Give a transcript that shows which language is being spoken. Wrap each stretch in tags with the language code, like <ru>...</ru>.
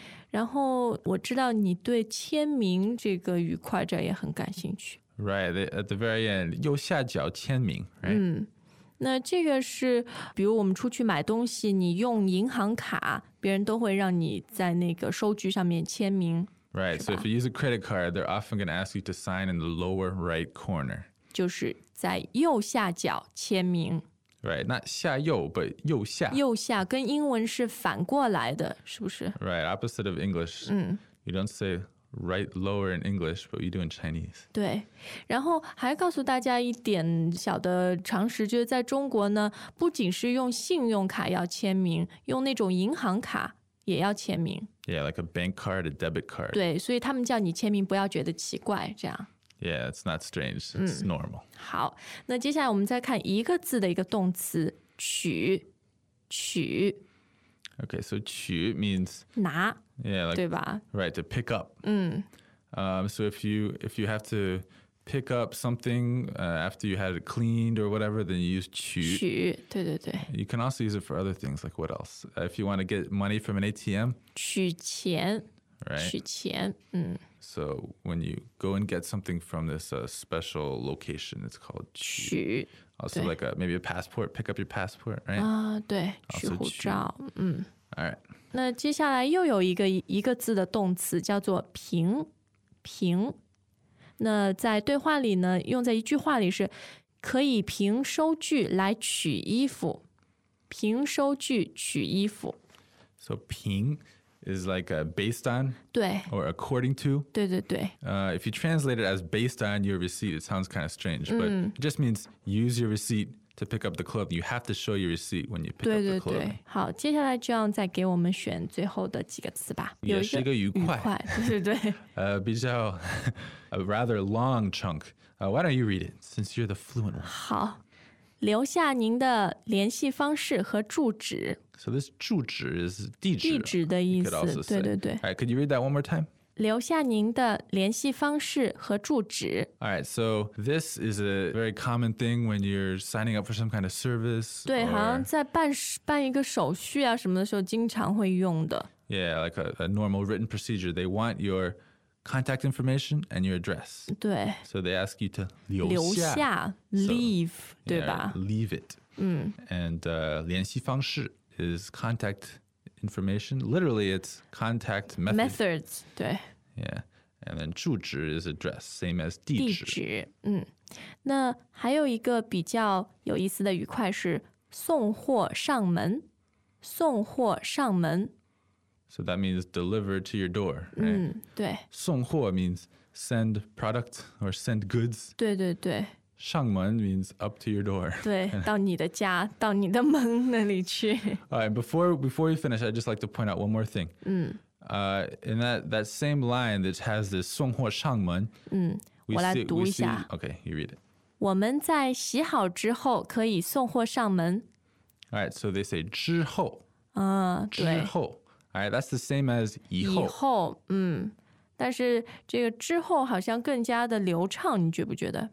<zh>然后我知道你对签名这个语块这也很感兴趣。</zh> <en>Right, at the very end,</en> <zh>右下角签名,</zh> <en>right?</en> <zh>那这个是比如我们出去买东西你用银行卡别人都会让你在那个收据上面签名。</zh> <en>Right, so if you use a credit card, they're often going to ask you to sign in the lower right corner.</en> <zh>就是在右下角签名。</zh> <en>Right, not 下右, but 右下。</en> <zh>右下跟英文是反过来的，是不是？</zh> <en>Right, opposite of English. You don't say right lower in English, but you do in Chinese.</en> <zh>对，然后还告诉大家一点小的常识，就是在中国呢，不仅是用信用卡要签名，用那种银行卡也要签名。</zh> <en>Yeah, like a bank card, a debit card.</en> <zh>对，所以他们叫你签名，不要觉得奇怪，这样。</zh> <en>Yeah, it's not strange. It's normal.</en> <zh>好，那接下来我们再看一个字的一个动词，取，取。</zh> <en>Okay, so 取 means</en> <zh>拿。</zh> <en>Yeah, like</en> <zh>对吧</zh> <en>？Right, to pick up. 嗯。 So if you have to pick up something after you had it cleaned or whatever, then you use 取。</en> <zh>取，对对对。</zh> <en>You can also use it for other things, like what else? If you want to get money from an ATM.</en> <zh>取钱。</zh> <en>Right.</en> <zh>取钱，嗯。</zh> <en>So when you go and get something from this special location, it's called</en> <zh>取.</zh> <en>Also like maybe a passport, pick up your passport, right?</en> <zh>对，取护照，嗯。</zh> <en>All right.</en> <zh>那接下来又有一个字的动词叫做评，评。那在对话里呢，用在一句话里是可以凭收据来取衣服，凭收据取衣服。</zh> <en>So 评。Is like based on</en> <zh>对,</zh> <en>or according to.</en> <zh>对对对。</zh> <en>If you translate it as based on your receipt, it sounds kind of strange, but it just means use your receipt to pick up the clothing. You have to show your receipt when you pick</en> <zh>对对对</zh> <en>up the clothing.</en> <zh>好，接下来就要再给我们选最后的几个词吧。也是一个愉快，对对对。</zh> <en>比较a rather long chunk. Why don't you read it since you're the fluent one?</en> <zh>好。留下您的联系方式和住址。</zh> <en>So this 住址 is 地址。</en> <zh>地址的意思，对对对。</zh> <en>All right, could you read that one more time?</en> <zh>留下您的联系方式和住址。</zh> <en>All right, so this is a very common thing when you're signing up for some kind of service.</en> <zh>对，好像在办一个手续啊什么的时候经常会用的。</zh> <en>Yeah, like a normal written procedure. They want your contact information and your address.</en> <zh>对。</zh> <en>So they ask you to</en> <zh>留下 leave,</zh> <en>so,</en> <zh>对吧</zh> <en>yeah, leave it. 嗯。 And 联系方式 is contact information. Literally, it's contact methods.</en> <zh>对。</zh> <en>Yeah. And then 住址 is address, same as 地址。</en> <zh>地址，嗯。那还有一个比较有意思的语块是送货上门，送货上门。</zh> <en>So that means deliver to your door, right?</en> <zh>对。</zh> <en>送货 means send product or send goods.</en> <zh>对对对。</zh> <en>上门 means up to your door.</en> <zh>对，到你的家，到你的门那里去。</zh> <en>All right, before we finish, I'd just like to point out one more thing. In that same line that has this 送货上门, we see,</en> <zh>我来读一下。</zh> <en>Okay, you read it.</en> <zh>我们在洗好之后可以送货上门。</zh> <en>All right, so they say 之后。</en> <zh>对。</zh> <en>之后。All right, that's the same as 以后。</en> <zh>以后，但是这个之后好像更加的流畅，你觉不觉得？</zh>